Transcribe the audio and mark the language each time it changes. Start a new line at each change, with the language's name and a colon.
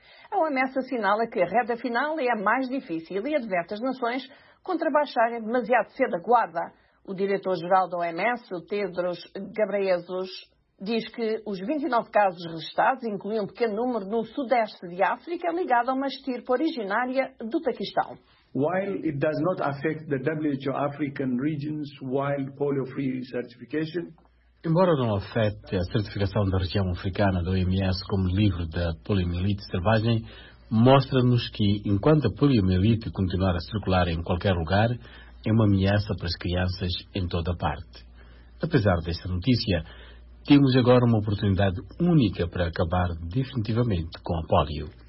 Portuguese: A OMS assinala que a reta final é a mais difícil e adverte as nações contra baixarem demasiado cedo a guarda. O diretor-geral da OMS, o Tedros Ghebreyesus, diz que os 29 casos registados incluem um pequeno número no sudeste de África ligado a uma estirpe originária do Paquistão.
English: While it does not affect the WHO African Regions Wild Polio Free Certification,
Portuguese: embora não afete a certificação da região africana da OMS como livre da poliomielite selvagem, mostra-nos que, enquanto a poliomielite continuar a circular em qualquer lugar, é uma ameaça para as crianças em toda parte. Apesar desta notícia, temos agora uma oportunidade única para acabar definitivamente com a polio.